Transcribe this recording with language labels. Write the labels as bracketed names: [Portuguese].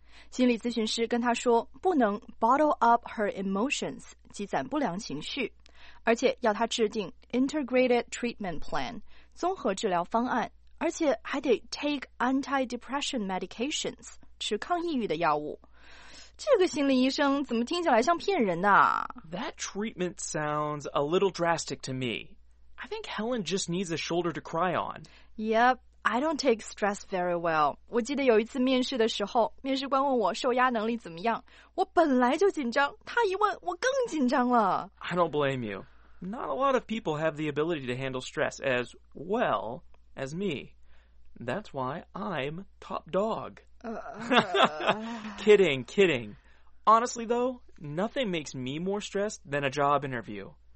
[Chinese] 心理咨询师跟她说不能 [English] bottle up her emotions, [Chinese] 积攒不良情绪，而且要她制定 [English] integrated treatment plan, [Chinese] 综合治疗方案，而且还得 [English] take anti-depression medications, [Chinese] 吃抗抑郁的药物。这个心理医生怎么听起来像骗人的啊? [English] That treatment sounds a little drastic to me. I think Helen just needs a shoulder to cry on. Yep, I don't take stress very well. [Chinese] 我记得有一次面试的时候，面试官问我受压能力怎么样，我本来就紧张，他一问我更紧张了。 [English] I don't blame you. Not a lot of people have the ability to handle stress as well as me. That's why I'm top dog. kidding. Honestly, though, nothing makes me more stressed than a job interview.